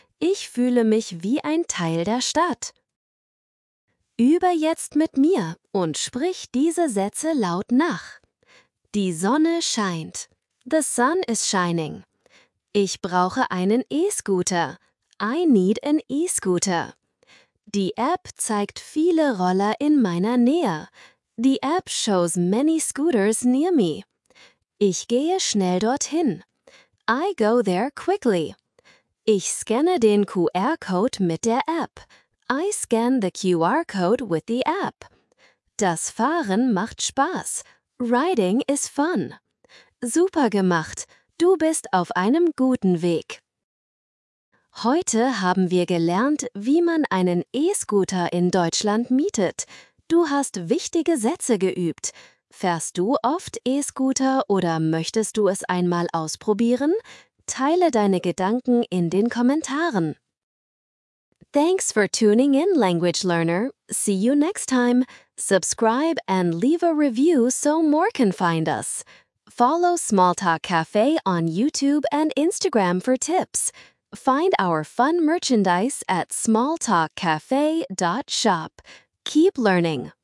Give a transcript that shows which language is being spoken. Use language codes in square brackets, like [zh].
[de] Ich fühle mich wie ein Teil der Stadt. Übe jetzt mit mir und sprich diese Sätze laut nach. Die Sonne scheint. [en] The sun is shining. [de] Ich brauche einen E-Scooter. [en] I need an E-Scooter. [de] Die App zeigt viele Roller in meiner Nähe. [en] The app shows many scooters near me. [de] Ich gehe schnell dorthin. [en] I go there quickly. [de] Ich scanne den QR-Code mit der App. [en] I scan the QR-Code with the app. [de] Das Fahren macht Spaß. [en] Riding is fun. [de] Super gemacht. Du bist auf einem guten Weg. Heute haben wir gelernt, wie man einen E-Scooter in Deutschland mietet. Du hast wichtige Sätze geübt. Fährst du oft E-Scooter oder möchtest du es einmal ausprobieren? Teile deine Gedanken in den Kommentaren. [en] Thanks for tuning in, Language Learner. See you next time. Subscribe and leave a review so more can find us. Follow Small Talk Cafe on YouTube and Instagram for tips. Find our fun merchandise at smalltalkcafe.shop. Keep learning.